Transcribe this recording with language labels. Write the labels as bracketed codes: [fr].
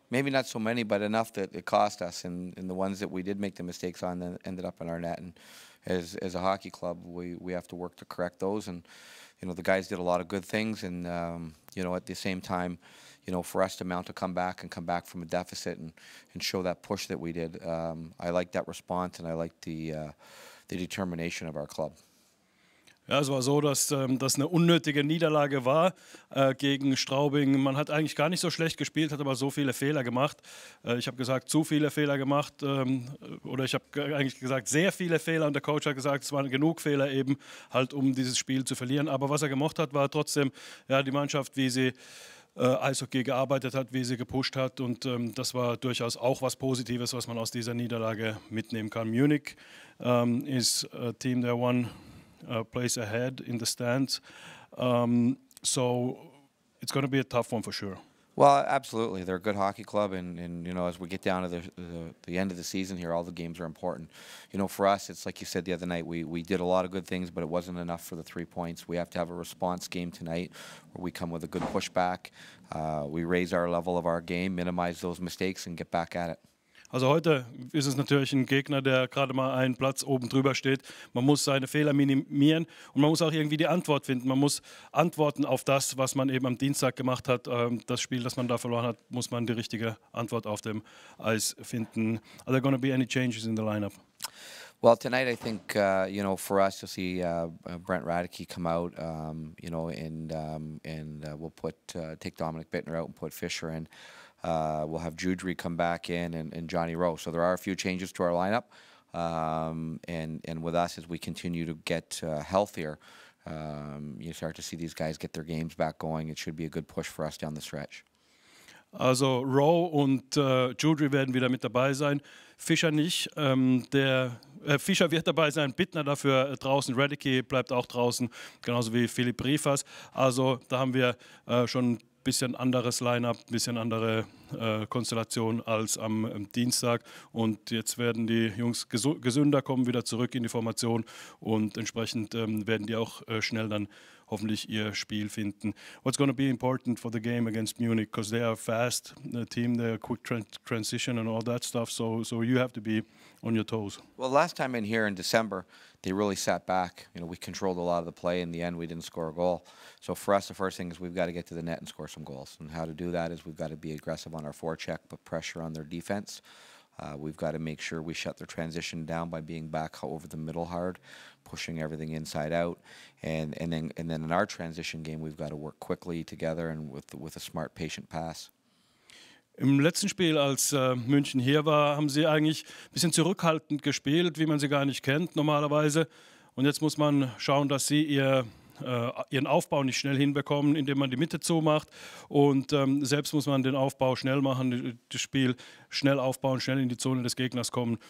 [en] Maybe not so many, but enough that it cost us. And the ones that we did make the mistakes on that ended up in our net. And as a hockey club, we have to work to correct those. And, you know, the guys did a lot of good things. And, you know, at the same time, you know, for us to mount a comeback and come back from a deficit and show that push that we did, I like that response and I like the determination of our club. [de] Ja, es war so, dass das eine unnötige Niederlage war gegen Straubing. Man hat eigentlich gar nicht so schlecht gespielt, hat aber so viele Fehler gemacht. Ich habe gesagt, zu viele Fehler gemacht. Oder ich habe eigentlich gesagt, sehr viele Fehler. Und der Coach hat gesagt, es waren genug Fehler eben, halt um dieses Spiel zu verlieren. Aber was er gemacht hat, war trotzdem ja, die Mannschaft, wie sie Eishockey gearbeitet hat, wie sie gepusht hat. Und das war durchaus auch was Positives, was man aus dieser Niederlage mitnehmen kann. [en] Munich ist a team that won. Place ahead in the stands, so it's going to be a tough one for sure. Well, absolutely, they're a good hockey club, and you know, as we get down to the end of the season here, all the games are important. You know, for us, it's like you said the other night, we did a lot of good things, but it wasn't enough for the 3 points. We have to have a response game tonight where we come with a good pushback, we raise our level of our game, minimize those mistakes and get back at it. [de] Also heute ist es natürlich ein Gegner, der gerade mal einen Platz oben drüber steht. Man muss seine Fehler minimieren und man muss auch irgendwie die Antwort finden. Man muss antworten auf das, was man eben am Dienstag gemacht hat. Das Spiel, das man da verloren hat, muss man die richtige Antwort auf dem Eis finden. [en] Are there going to be any changes in the lineup? Well, tonight I think, you know, for us to see Brent Radke come out, you know, and we'll take Dominic Bittner out and put Fischer in. We'll have Judry come back in and Johnny Rowe. So there are a few changes to our lineup. And with us, as we continue to get healthier, you start to see these guys get their games back going. It should be a good push for us down the stretch. [de] Also Rowe und Judry werden wieder mit dabei sein. Fischer nicht. Fischer wird dabei sein, Bittner dafür draußen. Radke bleibt auch draußen, genauso wie Philipp Riefers. Also da haben wir schon bisschen anderes Lineup, bisschen andere Konstellation als am Dienstag. Und jetzt werden die Jungs gesünder kommen, wieder zurück in die Formation und entsprechend werden die auch schnell dann hoffentlich ihr Spiel finden. [en] What's going to be important for the game against Munich? Because they are fast team, they are quick transition and all that stuff. So you have to be on your toes. Well, last time in here in December, they really sat back. You know, we controlled a lot of the play. In the end, we didn't score a goal. So for us, the first thing is we've got to get to the net and score some goals. And how to do that is we've got to be aggressive on our forecheck, put pressure on their defense. We've got to make sure we shut their transition down by being back over the middle hard, pushing everything inside out. And then in our transition game, we've got to work quickly together and with a smart, patient pass. [de] Im letzten Spiel, als München hier war, haben sie eigentlich ein bisschen zurückhaltend gespielt, wie man sie gar nicht kennt normalerweise. Und jetzt muss man schauen, dass sie ihren Aufbau nicht schnell hinbekommen, indem man die Mitte zumacht. Und selbst muss man den Aufbau schnell machen, das Spiel schnell aufbauen, schnell in die Zone des Gegners kommen.